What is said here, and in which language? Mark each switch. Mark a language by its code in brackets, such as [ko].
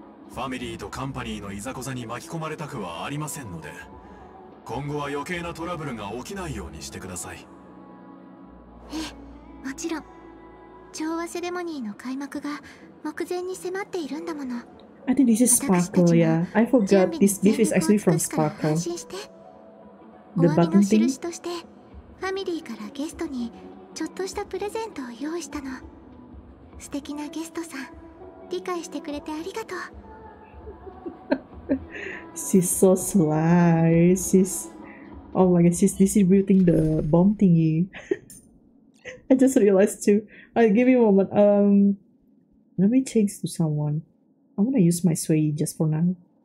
[ja] ファミリーとカンパニーのいざこざに巻き込まれたくはありませんので、今後は余計なトラブルが起きないようにしてください。ええ、もちろん。調和セレモニーの開幕が目前に迫っているんだもの。 [en] I think this is Sparkle, yeah. I forgot this beef is actually from Sparkle. The button thing? [ja] ファミリーからゲストにちょっとしたプレゼントを用意したの。素敵なゲストさん、理解してくれてありがとう。 [en] She's so sly. She's, oh my god, she's distributing the bomb thingy. I just realized too. Alright, give me a moment. Let me change to someone. I'm gonna use my Sway just for now.